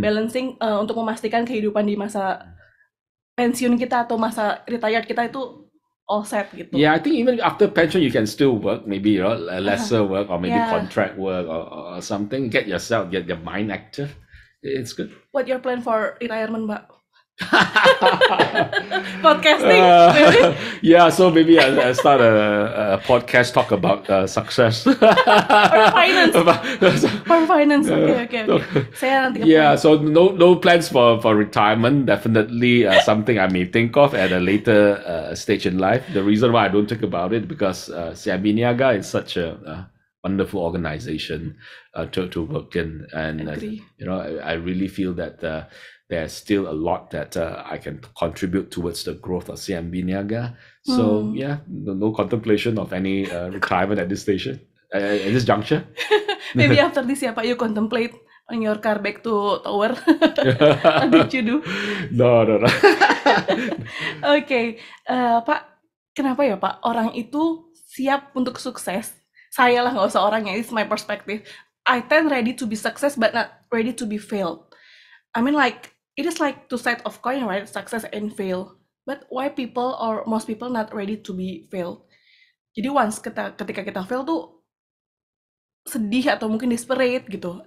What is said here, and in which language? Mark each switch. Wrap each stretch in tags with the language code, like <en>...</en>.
<id>Balancing untuk memastikan kehidupan di masa pensiun kita atau masa retired kita itu</id> <en>all set</en> <id>gitu.</id> <en>Yeah, I think even after pension you can still work, maybe you know, lesser work or maybe contract work or something. Get yourself, get your mind active. It's good. What your plan for retirement, Mbak? Podcasting? Yeah, so maybe I start a podcast talk about success. For finance. Okay.</en> <id>Saya nanti.</id> <en>Yeah, so no plans for retirement. Definitely something I may think of at a later stage in life. The reason why I don't think about it because CIMB Niaga is such a wonderful organization to work in, and you know I really feel that. There's still a lot that I can contribute towards the growth of CIMB Niaga. So no contemplation of any retirement at this station, at this juncture. Maybe after this, yeah, Pak, you contemplate on your car back to tower. What did you do? No.</en> <id>Okay, Pak, kenapa ya Pak orang itu siap untuk sukses? Saya lah nggak usah orangnya.</id> <en>It's my perspective. I tend ready to be success, but not ready to be failed. I mean like. It is like two sides of coin, right? Success and fail. But why people or most people not ready to be failed?</en> <id>Jadi once ketika kita fail tuh sedih atau mungkin desperate gitu.</id>